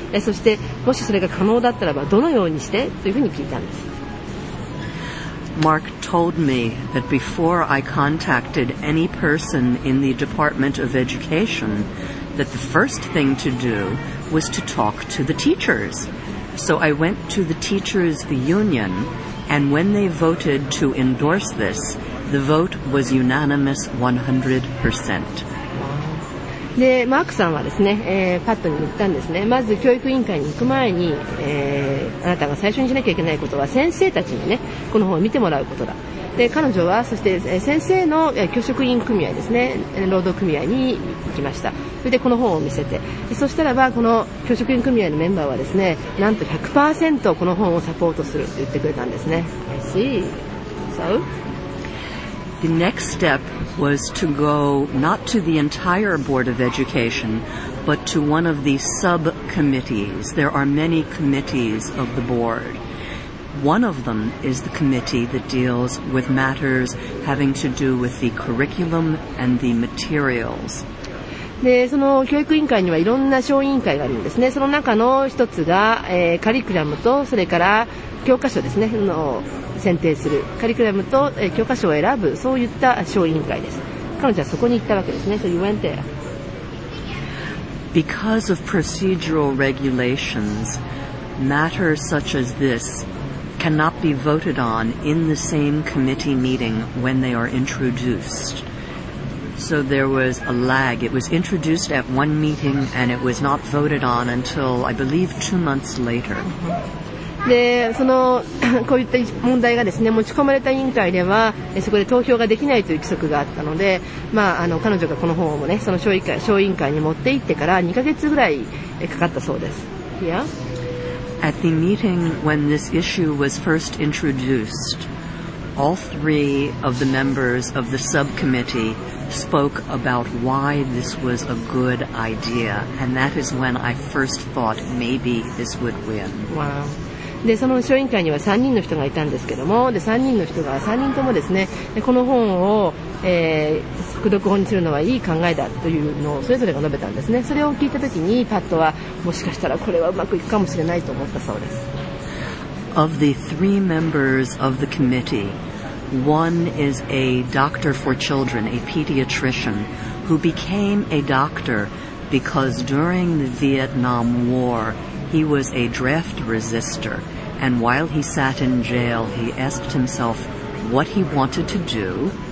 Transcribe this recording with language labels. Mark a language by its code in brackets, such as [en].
[ja] そしてもしそれが可能だったらばどのようにしてというふうに聞いたんです。 [en] マーク told me that before I contacted any person in the Department of Educationthat the first thing to do was to talk to the teachers. So I went to the teachers' union, and when they voted to endorse this, the vote was unanimous 100%. [ja] で、マークさんはですね、パットに言ったんですね。まず教育委員会に行く前に、あなたが最初にしなきゃいけないことは先生たちにね、この本を見てもらうことだ。で、彼女はそして先生の教職員組合ですね、労働組合に行きました。それでこの本を見せて、そしたらばこの教職員組合のメンバーはですね、なんと 100% この本をサポートすると言ってくれたんですね。 [en] I see. So the next step was to go not to the entire board of education but to one of the subcommittees. There are many committees of the boardOne of them is the committee that deals with matters having to do with the curriculum and the materials. [ja] で、その教育委員会にはいろんな小委員会があるんですね。その中の一つが、カリキュラムとそれから教科書ですね、の選定する。カリキュラムと、教科書を選ぶ、そういった小委員会です。彼女はそこに行ったわけですね。 [en] So you went there. Because of procedural regulations, matters such as thiscannot be voted on in the same committee meeting when they are introduced. So there was a lag. It was introduced at one meeting and it was not voted on until, I believe, 2 months later. [ja] でそのこういった問題がですね持ち込まれた委員会ではそこで投票ができないという規則があったので、まあ、あの彼女がこの本をねその小委員会に持って行ってから2ヶ月ぐらいかかったそうです。 [en] Yeah? At the meeting when this issue was first introduced, all three of the members of the subcommittee spoke about why this was a good idea, and that is when I first thought maybe this would win. Wow. [ja] でその小委員会には3人の人がいたんですけども、で3人の人が3人ともですねこの本を、副読本にするのはいい考えだというのをそれぞれが述べたんですね。それを聞いたときにパットはもしかしたらこれはうまくいくかもしれないと思ったそうです。 [en] Of the three members of the committee, one is a doctor for children, a pediatrician, who became a doctor because during the Vietnam WarHe was a draft resister, and while he sat in jail, he asked himself what he wanted to do.